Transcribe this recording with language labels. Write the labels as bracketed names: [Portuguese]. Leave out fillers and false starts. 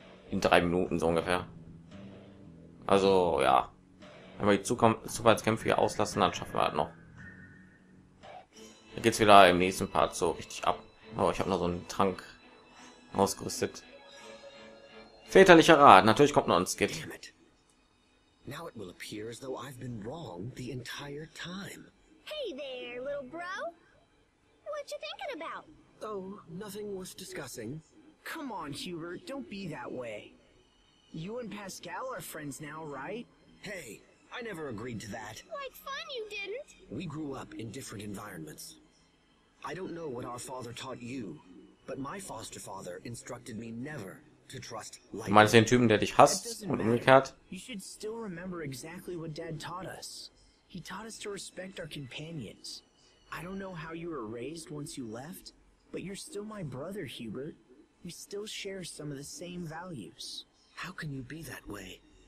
[German] In 3 Minuten so ungefähr. Also, ja. Wenn wir die Zufallskämpfe hier auslassen, dann schaffen wir halt noch. Dann geht's wieder im nächsten Part so richtig ab. Oh, ich habe noch so einen Trank ausgerüstet. Väterlicher Rat. Natürlich kommt noch ein Skit. [English] Damn it. Now it will appear as though I've been wrong the entire time. Hey there, little bro. What you thinking about? Oh, nothing worth discussing. Come on, Hubert, don't be that way. You and Pascal are friends now, right? Hey. I never agreed to that. Like fun you didn't. We grew up in different environments. I don't know what our father taught you, but my foster father instructed me never to trust like. [German] Du meinst den Typen, der dich hasst und umgekehrt? [English] You should still remember exactly what dad taught us. He taught us to respect our companions. I don't know how you were raised once you left, but you're still my brother, Hubert. We still share some of the same values. How can you be that way?